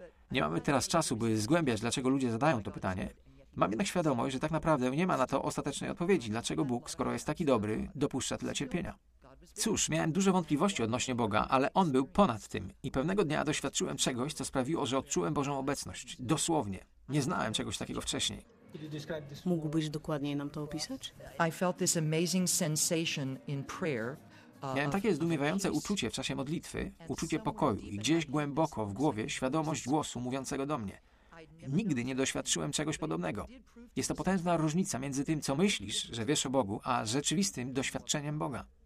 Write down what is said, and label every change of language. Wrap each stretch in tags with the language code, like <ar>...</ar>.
<pl>Nie mamy teraz czasu, by zgłębiać, dlaczego ludzie zadają to pytanie. Mam jednak świadomość, że tak naprawdę nie ma na to ostatecznej odpowiedzi, dlaczego Bóg, skoro jest taki dobry, dopuszcza tyle cierpienia. Cóż, miałem duże wątpliwości odnośnie Boga, ale On był ponad tym i pewnego dnia doświadczyłem czegoś, co sprawiło, że odczułem Bożą obecność. Dosłownie. Nie znałem czegoś takiego wcześniej. Mógłbyś dokładniej nam to opisać?</pl> <en>I felt this amazing sensation in prayer.</en> <pl>Miałem takie zdumiewające uczucie w czasie modlitwy, uczucie pokoju i gdzieś głęboko w głowie świadomość głosu mówiącego do mnie. Nigdy nie doświadczyłem czegoś podobnego. Jest to potężna różnica między tym, co myślisz, że wiesz o Bogu, a rzeczywistym doświadczeniem Boga.</pl>